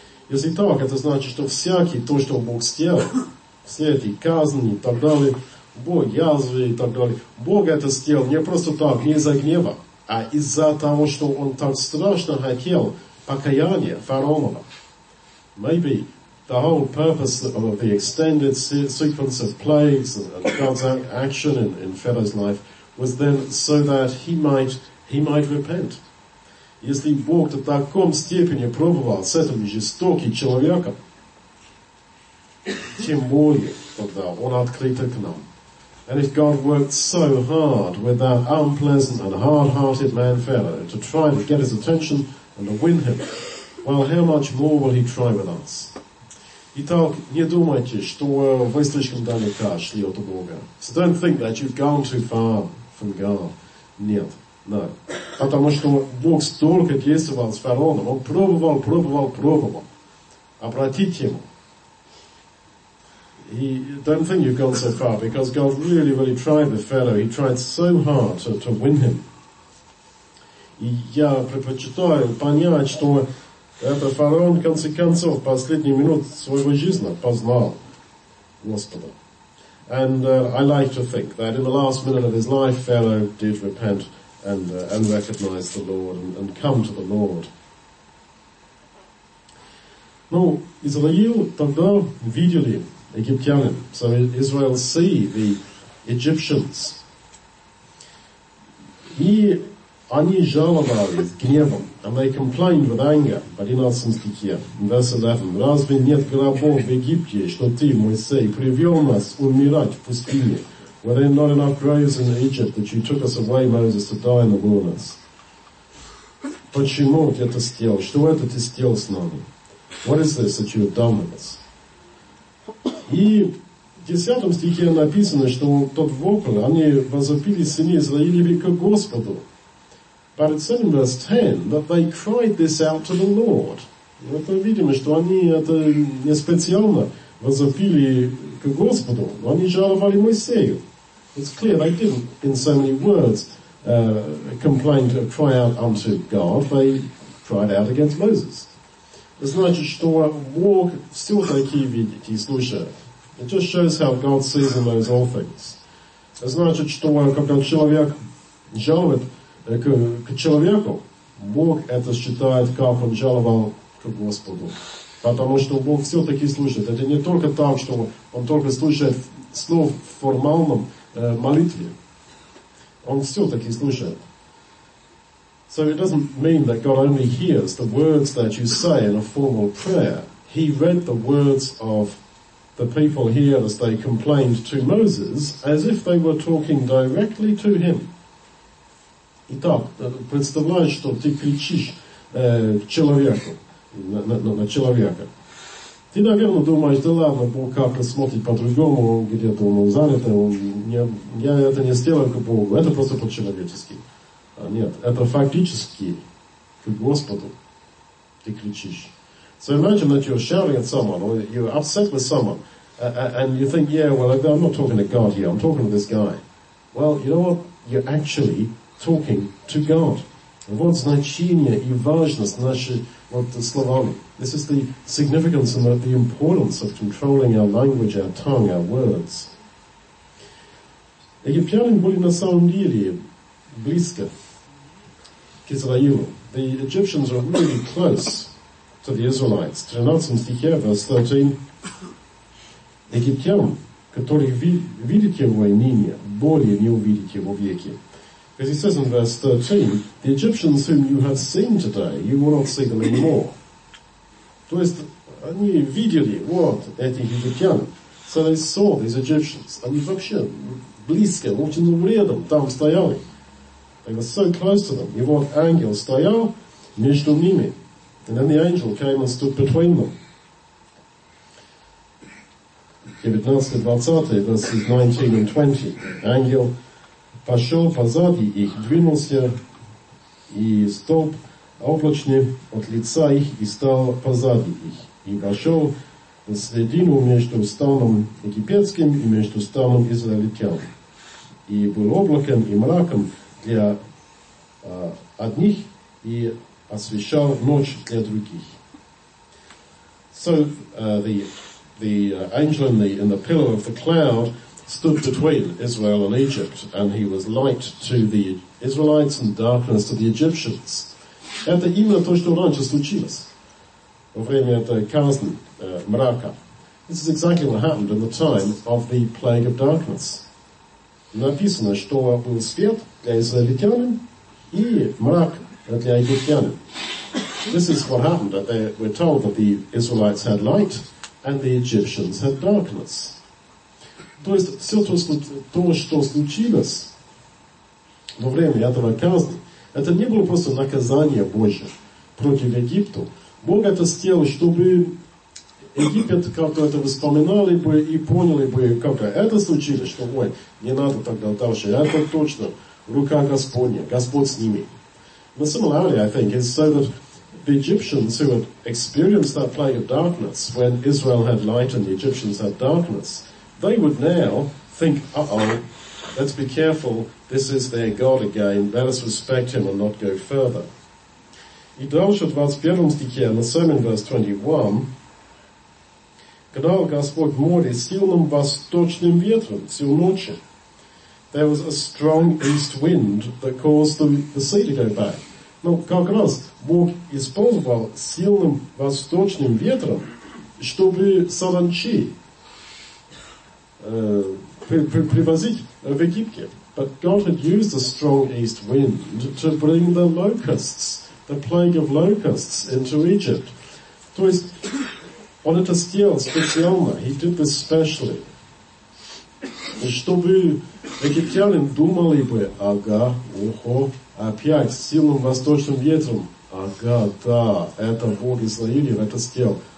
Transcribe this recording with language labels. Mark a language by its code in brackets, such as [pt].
[ru] Если так, это значит, что всякий, то, что Бог сделал, все эти казни и так далее, Бог язвы и так далее, Бог это сделал не просто так, не из-за гнева, а из-за того, что он так страшно хотел покаяния фараонова. [en] Maybe. The whole purpose of the extended sequence of plagues and God's action in Pharaoh's life was then so that he might repent. [ru] Если Бог до такой степени пробовал с этим жестоким человеком, тем более тогда он открыт к нам. [en] And if God worked so hard with that unpleasant and hard-hearted man Pharaoh to try to get his attention and to win him, well, how much more will he try with us? [ru] Итак, не думайте, что вы слишком далеко шли от Бога. [en] So don't think that you've gone too far from God. [ru] Нет, [en] no. [ru] Потому что Бог столько действовал с фараоном. Он пробовал. Обратите ему. [en] He, don't think you've gone so far, because God really, really tried with Pharaoh. He tried so hard to win him. [ru] И я предпочитаю понять, что это фараон, в конце концов, в последние минуты своего жизни познал Господа. [en] And I like to think that in the last minute of his life, Pharaoh did repent and recognize the Lord and come to the Lord. [ru] Израил тогда видели египтянин. [en] So Israel see the Egyptians. [ru] И они жаловали гневом. [en] And they complained with anger. But in verse 11, [ru] разве нет гробов в Египте, что ты, Моисей, привел нас умирать в пустыне? [en] Were there not enough graves in Egypt that you took us away, Moses, to die in the wilderness? [ru] Почему ты это сделал? Что это ты сделал с нами? [en] What is this that you have done with us? [ru] И в 10 стихе написано, что тот вопль, они возопили сыны Израилевы к Господу. [en] But it said in verse 10 that they cried this out to the Lord. [ru] Вот мы видим, что они это не специально возопили к Господу. Они жаловали Моисею. [en] It's clear they didn't, in so many words, complain to cry out unto God. They cried out against Moses. [ru] Значит, что Бог все-таки видит и слушает. [en] It just shows how God sees in those all things. [ru] Значит, что когда человек жалует к человеку, Бог это считает, как он жаловал к Господу. Потому что Бог все-таки слушает. Это не только так, что он только слушает слов в формальном молитве. Он все-таки слушает. [en] So it doesn't mean that God only hears the words that you say in a formal prayer. He read the words of the people here as they complained to Moses, as if they were talking directly to him. [ru] Итак, представляй, что ты кричишь человеку, на человека. Ты, наверное, думаешь, да ладно, Бог как-то смотрит по-другому, он где-то занят, я это не сделаю к Богу, это просто по-человечески. А нет, это фактически к Господу ты кричишь. [en] So imagine that you're shouting at someone, or you're upset with someone, and you think, yeah, well, I'm not talking to God here, I'm talking to this guy. Well, you know what? You're actually talking to God. [ru] Вот значение и важность нашей словами. [en] This is the significance and the importance of controlling our language, our tongue, our words. [ru] Египтяне были на самом деле близко к Израилю. [en] The Egyptians are really close to the Israelites. 13 стихе, verse 13. Египтян, который видит его ныне, более не увидит его веки. Because he says in verse 13, the Egyptians whom you have seen today, you will not see them anymore. [ru] То есть, они видели вот этих египтян. [en] So they saw these Egyptians. [ru] Они вообще близко, очень рядом там стояли. [en] They were so close to them. [ru] И вот ангел стоял между ними. [en] And then the angel came and stood between them. 19-20, verses 19 and 20. [ru] Ангел пошел позади их, двинулся, и столб облачный от лица их и стал позади их. И пошел в середину между станом египетским и между станом израильтян. И был облаком и мраком для одних, и освещал ночь для других. [en] So the angel in the pillar of the cloud stood between Israel and Egypt, and he was light to the Israelites and darkness to the Egyptians. [ru] Это именно то, что раньше случилось во время этой казни мрака. [en] This is exactly what happened in the time of the plague of darkness. [ru] Написано, что был свет для израильтян и мрак для египтян. [en] This is what happened. We're told that the Israelites had light and the Egyptians had darkness. [ru] То есть все то, что случилось во время этого казни, это не было просто наказание Божье против Египта. Бог это сделал, чтобы Египет как-то это вспоминали бы и поняли бы, как это случилось, что ой, не надо тогда дальше. Это точно рука Господня, Господь с ними. [en] The similarity, I think, is so that the Egyptians who had experienced that plague of darkness when Israel had light and the Egyptians had darkness, they would now think, uh-oh, let's be careful, this is their God again, let us respect him and not go further. [ru] И дальше в 21 стихе, на самом [en] verse 21, [ru] когда Господь море сильным восточным ветром всю ночь, [en] there was a strong east wind that caused the sea to go back. [ru] Ну, как раз Бог использовал сильным восточным ветром, чтобы саранчи привозить в Египте. [en] But God had used a strong east wind to bring the locusts, the plague of locusts, into Egypt. [ru] То есть, он это сделал специально. [en] He did this specially. [ru] Чтобы египтяне думали бы, ага, ухо, опять сильным восточным ветром. Ага, да, это Бог Израилев это сделал.